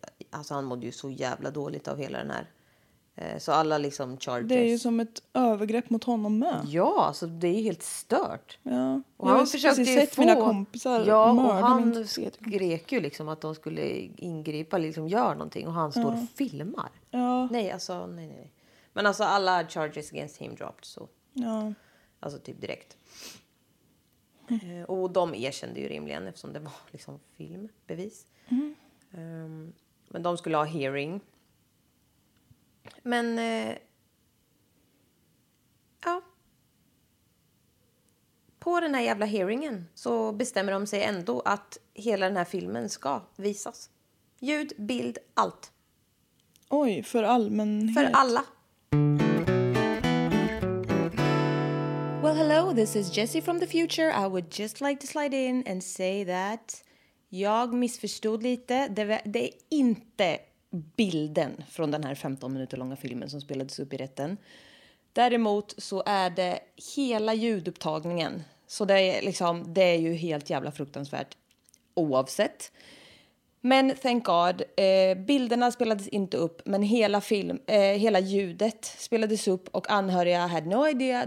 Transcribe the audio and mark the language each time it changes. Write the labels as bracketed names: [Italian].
[Swedish] Han mådde ju så jävla dåligt av hela den här. Så alla liksom charges. Det är ju som ett övergrepp mot honom med. Ja, alltså det är ju helt stört. Ja. Och han försökte ju sett få... mina kompisar. Ja, och han skrek ju liksom att de skulle ingripa, liksom göra någonting. Och han står och filmar. Ja. Nej, alltså nej. Men alltså alla [English] charges against him dropped. [Swedish] Så. Ja. Alltså typ direkt. Och de erkände ju rimligen eftersom det var liksom filmbevis. Mm. Men de skulle ha hearing. Men, på den här jävla hearingen så bestämmer de sig ändå att hela den här filmen ska visas. Ljud, bild, allt. Oj, för allmänhet. För alla. [English] Well, hello, this is Jessie from the future. I would just like to slide in and say that [Swedish] jag missförstod lite. Det är inte... bilden från den här 15 minuter långa filmen som spelades upp i rätten. Däremot så är det hela ljudupptagningen. Så det är liksom, det är ju helt jävla fruktansvärt oavsett. Men [English] thank God, [Swedish] bilderna spelades inte upp, men hela ljudet spelades upp och anhöriga [English] had no idea.